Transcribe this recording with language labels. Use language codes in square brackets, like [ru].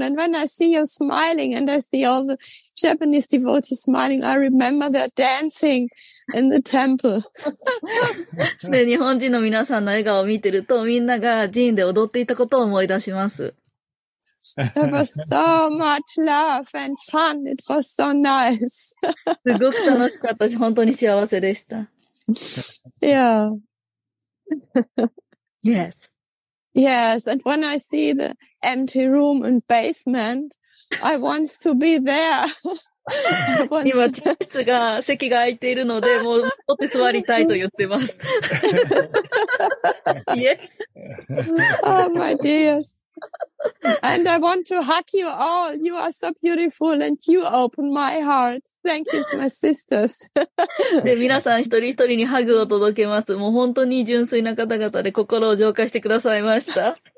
[en] And when I see you smiling and I see all the Japanese devotees smiling, I remember they're dancing in the temple. [ja] で、日本人の皆さんの笑顔を見てると、みんなが寺院で踊っていたことを思い出します。 [en] There was so much love and fun. It was so nice. [ja] すごく楽しかったし、本当に幸せでした。 [en] Yeah. Yes. Yes, and when I see the empty room and basement, I want to be there. [ja] 今、チャスが席が空いているので、もう、お手座りたいと言ってます。 [en] Yes. Oh, my dears. And I want to hug you all. You are so beautiful and you open my heart. Thank you to my sisters. [ja] で、皆さん一人一人にハグを届けます。もう本当に純粋な方々で心を浄化してくださいました。